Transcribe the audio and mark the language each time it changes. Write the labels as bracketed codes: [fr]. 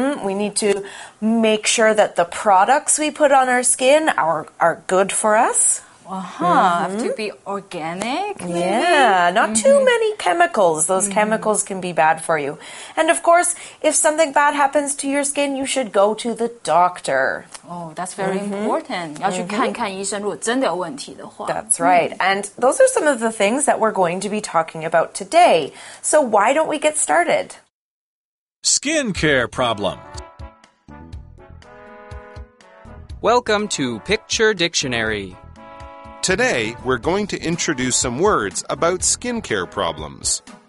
[en] We need to make sure that the products we put on our skin are good for us. Have to be organic, maybe? Yeah, not too many chemicals. Those chemicals can be bad for you. And of course, if something bad happens to your skin, you should go to the doctor. Oh, that's very important. [zh] 要去看看医生，如果真的有问题的话。 [en] That's right. And those are some of the things that we're going to be talking about today. So why don't we get started? Skin care problem. Welcome to Picture Dictionary. Today, we're going to introduce some words about skincare problems.